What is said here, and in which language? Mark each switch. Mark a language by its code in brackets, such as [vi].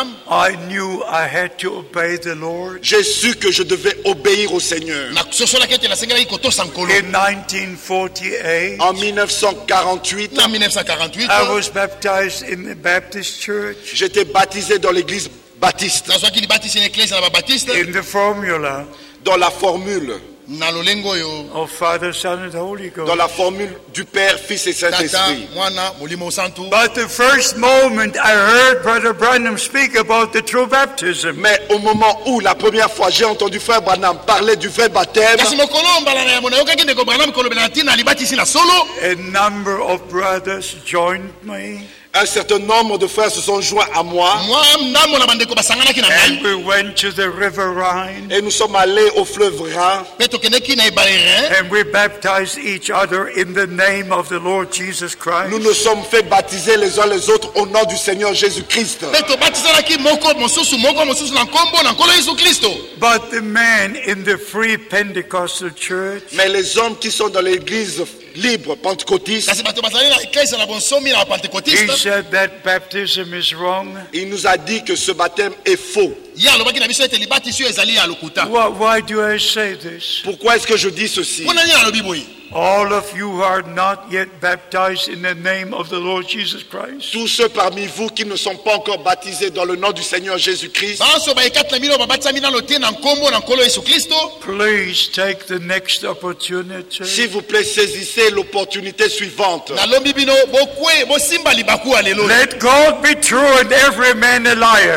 [en] I knew I had to obey the Lord. [fr] J'ai su que je devais obéir au Seigneur. [en] In 1948, I was baptized in the Baptist church. [fr] J'étais baptisé dans l'église baptiste. [en] In the formula. [fr] Dans la formule. [en] Of Father, Son, and Holy Ghost. [fr] Dans la formule du Père, Fils et Saint-Esprit. [en] But the first moment I heard Brother Branham speak about the true baptism. [fr] Mais au moment où la première fois j'ai entendu Frère Branham parler du vrai baptême. [en] A number of brothers joined me. [fr] Un certain nombre de frères se sont joints à moi. [en] And we went to the River Rhine. [fr] Et nous sommes allés au fleuve Rhin. [en] And we baptized each other in the name of the Lord Jesus Christ. [fr] Nous nous sommes fait baptiser les uns les autres au nom du Seigneur Jésus Christ. [en] But the men in the Free Pentecostal Church. [fr] Mais les hommes qui sont dans l'église libre, pentecôtiste. [en] He said that baptism is wrong. [fr] Il nous a dit que ce baptême est faux. [en] Why do I say this? [fr] Pourquoi est-ce que je dis ceci? [en] All of you who are not yet baptized in the name of the Lord Jesus Christ. [fr] Tous ceux parmi vous qui ne sont pas encore baptisés dans le nom du Seigneur Jésus Christ. [en] Please take the next opportunity. [fr] S'il vous plaît, saisissez l'opportunité suivante. [en] Let God be true and every man a liar.